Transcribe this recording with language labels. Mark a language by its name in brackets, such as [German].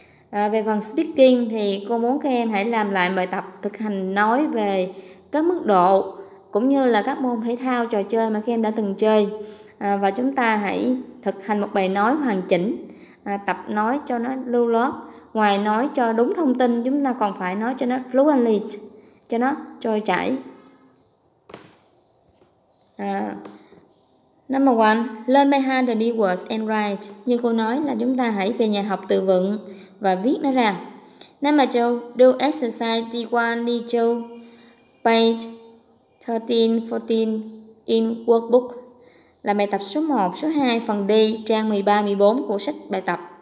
[Vietnamese] Về phần speaking thì cô muốn các em hãy làm lại bài tập thực hành nói về các mức độ cũng như là các môn thể thao, trò chơi mà các em đã từng chơi. Và chúng ta hãy thực hành một bài nói hoàn chỉnh, tập nói cho nó lưu loát. Ngoài nói cho đúng thông tin, chúng ta còn phải nói cho nó fluently, cho nó trôi chảy. [English] Number one, learn by heart the new words and write. [Vietnamese] Như cô nói là chúng ta hãy về nhà học từ vựng và viết nó ra. [English] Number two, do exercise D1, D2, page 13, 14 in workbook. [Vietnamese] Là bài tập số 1, số 2, phần D, trang 13, 14 của sách bài tập.